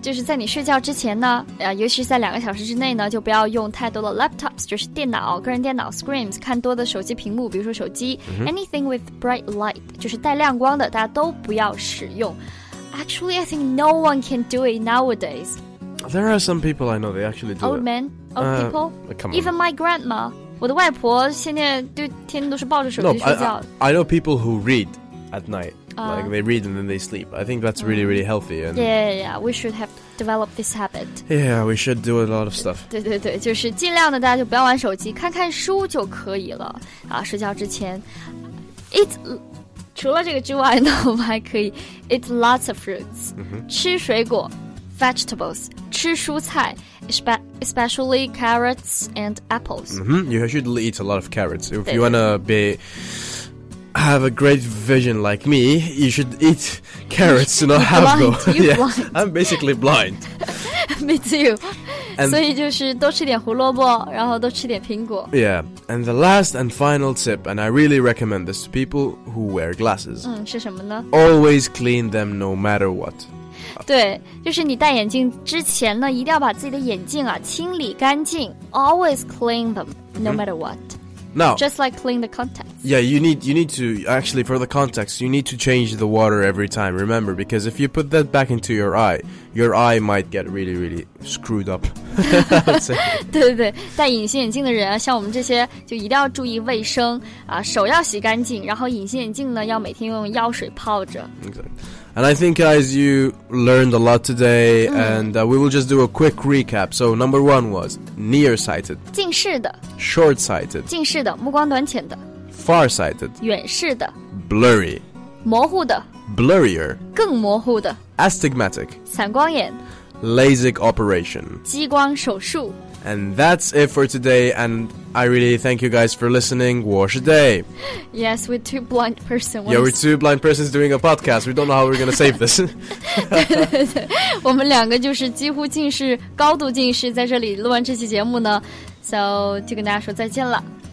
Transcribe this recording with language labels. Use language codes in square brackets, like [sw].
[zh] 就是在你睡觉之前呢，尤其是在两个小时之内呢，就不要用太多的 laptops, 就是电脑，个人电脑 screens, 看多的手机屏幕，比如说手机、mm-hmm. [en] anything with bright light, [zh] 就是带亮光的，大家都不要使用。 [en] Actually, I think no one can do it nowadays. There are some people I know, they actually do it. Old men? Old people? Come on. Even my grandma. [zh] 我的外婆现在对天都是抱着手机睡觉。 [en] I know people who read at night. Like, they read and then they sleep. I think that's really, really healthy. And yeah. We should have developed this habit. Yeah, we should do a lot of stuff. [zh] 对对对，就是尽量的大家就不要玩手机，看看书就可以了。睡觉之前。除了这个之外呢，我们还可以 [en] eat lots of fruits,、 mm-hmm. [zh] 吃水果 [en] vegetables, [zh] 吃蔬菜 [en] especially carrots and apples.、 Mm-hmm. You should eat a lot of carrots. If you want to be, have a great vision like me, you should eat carrots to not have blind, you're blind. I'm basically blind. Me too. [zh] And, 所以就是多吃点胡萝卜，然后多吃点苹果。 [en] Yeah, and the last and final tip, and I really recommend this to people who wear glasses. [zh] 嗯，是什么呢？ [en] Always clean them no matter what. [zh] 对，就是你戴眼镜之前呢，一定要把自己的眼镜啊清理干净。 [en] Always clean them no matter what. Now, just like clean the contacts. Yeah, you need to, actually for the contacts, you need to change the water every time. Remember, because if you put that back into your eye... Your eye might get really, really screwed up. [zh] 对对对，戴隐形眼镜的人啊，像我们这些就一定要注意卫生啊，手要洗干净，然后隐形眼镜呢要每天用药水泡着。 [en] Exactly. And I think guys, you learned a lot today,、mm. and、we will just do a quick recap. So number one was nearsighted. [zh] 近视的。 [en] Shortsighted. [zh] 近视的，目光短浅的。 [en] Farsighted. [zh] 远视的。 [en] Blurry. [zh] 模糊的。 [en] Blurrier. [zh] 更模糊的。 [en] Astigmatic. [zh] 散光眼。 [en] LASIK operation. [zh] 激光手术。 [en] And that's it for today, and I really thank you guys for listening. [zh] 我是 Day. [en] Yes, we're two blind persons. Yeah, we're two blind persons doing a podcast. We don't know how we're going to save this. [zh] 对对对，我们两个就是几乎近视，高度近视，在这里录完这期节目呢。 So, 就跟大家说再见了。